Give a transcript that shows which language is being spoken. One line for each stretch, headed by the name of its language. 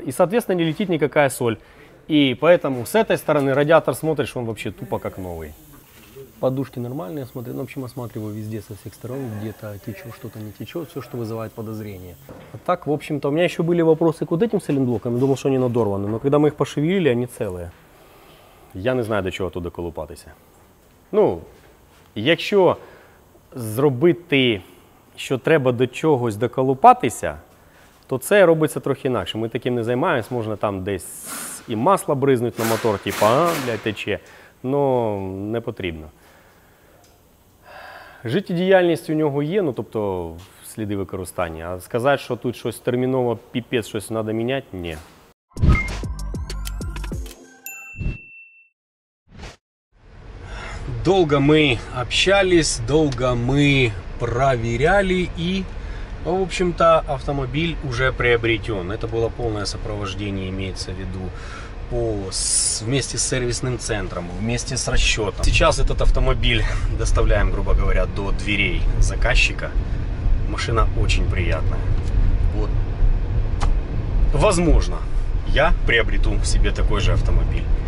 Russian: И, соответственно, не летит никакая соль. И поэтому с этой стороны радиатор смотришь, он вообще тупо как новый. Подушки нормальные, смотрю, ну, в общем, осматриваю везде со всех сторон, где-то течет, что-то не течет, все, что вызывает подозрение. А так, в общем-то, у меня еще были вопросы к вот этим сайлентблокам, я думал, что они надорваны, но когда мы их пошевелили, они целые. Я не знаю, до чего оттуда колупатися.
Ukrainian: Ну, якщо зробити, що треба до чогось доколупатися, то це робиться трохи інакше. Ми таким не займаємось, можна там десь і масло бризнути на мотор, типу, блядь, тече, но не потрібно. Життєдіяльність у нього є, ну, тобто, сліди використання. А сказати, що тут щось терміново, піпець, щось треба міняти – ні. Довго ми общались, довго ми перевіряли і,
Russian: в общем-то,
Ukrainian: автомобіль вже приобретен. Це було повне супроводження, мається в виду.
Russian: Вместе с сервисным центром, вместе с расчетом. Сейчас этот автомобиль доставляем, грубо говоря, до дверей заказчика. Машина очень приятная. Вот. Возможно, я приобрету себе такой же автомобиль.